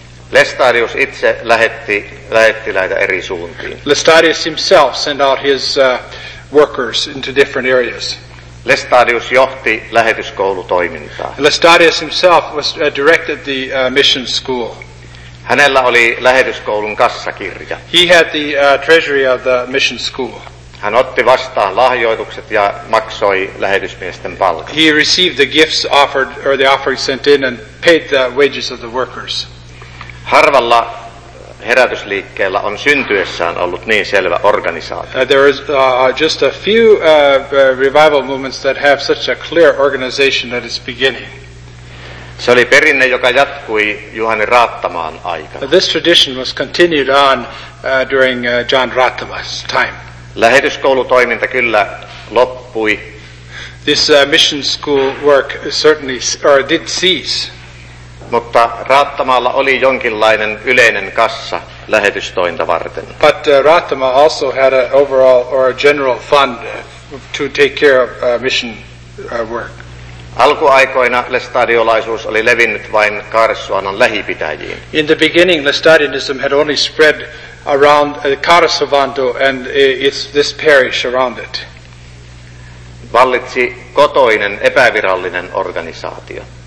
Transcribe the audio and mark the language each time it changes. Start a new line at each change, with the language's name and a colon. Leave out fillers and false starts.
Finnish: Lestadius itse lähetti näitä eri suuntiin.
English: Lestadius himself sent out his workers into different areas.
Finnish: Lestadius johti lähetyskoulutoimintaa.
English: Lestadius himself directed the mission school.
Finnish: Hänellä oli lähetyskoulun kassakirja.
English: He had the treasury of the mission school.
Finnish: Hän otti vastaan lahjoitukset ja maksoi lähetysmiesten palkan.
English: He received the gifts offered or the offerings sent in and paid the wages of the workers.
Finnish: Harvalla herätysliikkeellä on syntyessään ollut niin selvä organisaatio.
English: There is just a few revival movements that have such a clear organization at its beginning.
Finnish: Se oli perinne, joka jatkui Juhani Raattamaan aikana.
English: This tradition was continued on during John Raattama's time.
Finnish: Lähetyskoulutoiminta kyllä loppui.
English: This mission school work certainly did cease.
Finnish: Mutta Raattamaalla oli jonkinlainen yleinen kassa lähetystointa varten.
English: But Raattama also had an overall or a general fund to take care of mission work.
Finnish: Alkuaikoina lestadiolaisuus oli levinnyt vain Kaaresuvannon lähipitäjiin.
English: In the beginning, Lestadianism had only spread around Kaaresuvanto and this parish around it.
Finnish: Vallitsi kotoinen epävirallinen organisaatio.